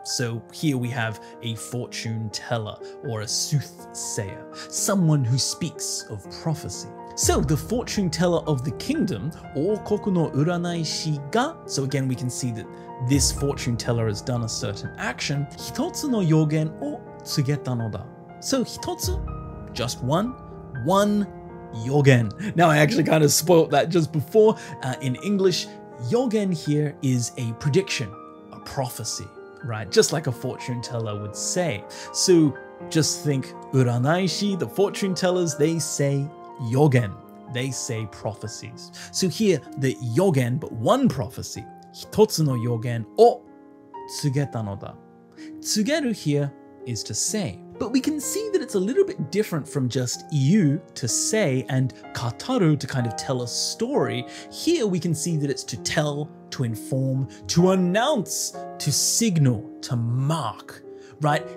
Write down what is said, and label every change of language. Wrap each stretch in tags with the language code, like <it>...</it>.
<en>So here we have a fortune teller or a soothsayer, someone who speaks of prophecy. So the fortune teller of the kingdom, ōkoku no uranai shi ga. So again, we can see that this fortune teller has done a certain action.</en> <ja>Hitotsu no yōgen o tsugeta no da.</ja> <en>So hitotsu, just one yōgen. Now I actually kind of spoiled that just before. In English, yōgen here is a prediction, a prophecy, right? Just like a fortune teller would say. So just think uranaishi, the fortune tellers, they say yōgen. They say prophecies. So here the yōgen, but one prophecy.</en> <ja>Hitotsu no yōgen o tsugeta no da.</ja> <en>Tsugeru here is to say. But we can see that it's a little bit different from just iu, to say, and kataru, to kind of tell a story. Here we can see that it's to tell, to inform, to announce, to signal, to mark, right?</en>